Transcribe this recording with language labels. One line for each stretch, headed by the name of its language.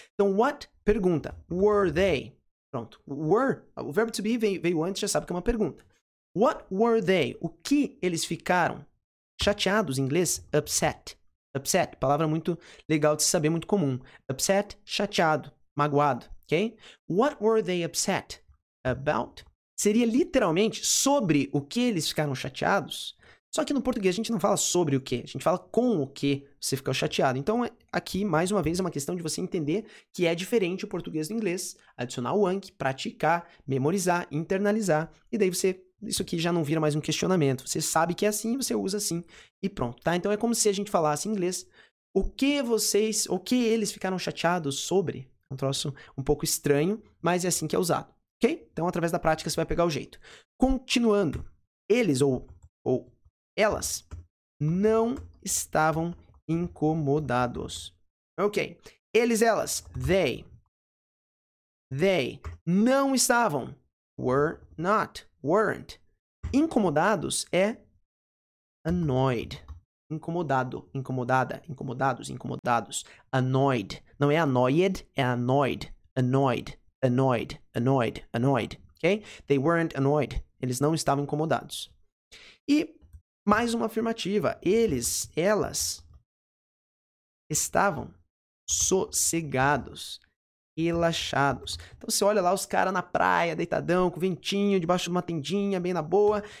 Portuguese: Então,
English: what?
Portuguese: Pergunta.
English: Were they?
Portuguese: Pronto. Were, o verbo to be veio antes, já sabe que é uma pergunta.
English: What were they?
Portuguese: O que eles ficaram Chateados, em inglês, upset. Upset, palavra muito legal de se saber, muito comum. Upset, chateado, magoado, ok?
English: What were they upset about?
Portuguese: Seria literalmente sobre o que eles ficaram chateados. Só que no português a gente não fala sobre o que, a gente fala com o que você ficou chateado. Então, aqui, mais uma vez, é uma questão de você entender que é diferente o português do inglês, adicionar o ANC, praticar, memorizar, internalizar, e daí você... Isso aqui já não vira mais um questionamento. Você sabe que é assim, você usa assim e pronto, tá? Então é como se a gente falasse em inglês o que vocês, o que eles ficaram chateados sobre. Um troço um pouco estranho, mas é assim que é usado, ok? Então através da prática você vai pegar o jeito. Continuando, eles ou elas não estavam incomodados. Ok, eles, elas, they não estavam,
English: were not, weren't.
Portuguese: Incomodados é annoyed. Incomodado, incomodada, incomodados, incomodados. Annoyed. Não é annoyed, é annoyed.
English: Annoyed, annoyed, annoyed, annoyed. Ok? They weren't annoyed.
Portuguese: Eles não estavam incomodados. E mais uma afirmativa. Eles, elas estavam sossegados. Relaxados. Então você olha lá os caras na praia, deitadão, com ventinho, debaixo de uma tendinha, bem na boa.